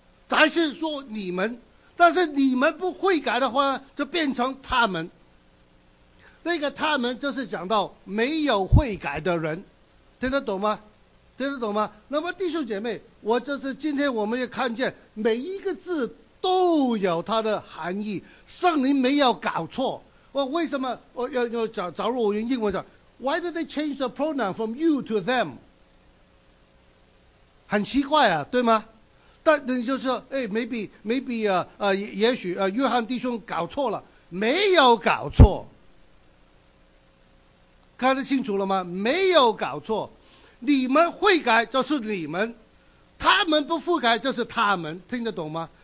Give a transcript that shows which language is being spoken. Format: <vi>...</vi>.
<zh>还是说你们，但是你们不悔改的话，就变成他们。那个他们就是讲到没有悔改的人，听得懂吗？听得懂吗？那么弟兄姐妹，我就是今天我们也看见每一个字都有它的含义，圣灵没有搞错。我为什么我要假如我用英文讲 ，</zh> <en>Why did they change the pronoun from you to them？</en> <zh>很奇怪啊，对吗？但你就说，哎 ，maybe 啊、也许啊、约翰弟兄搞错了，没有搞错。看得清楚了吗？没有搞错，你们悔改就是你们，他们不悔改就是他们，听得懂吗？</zh>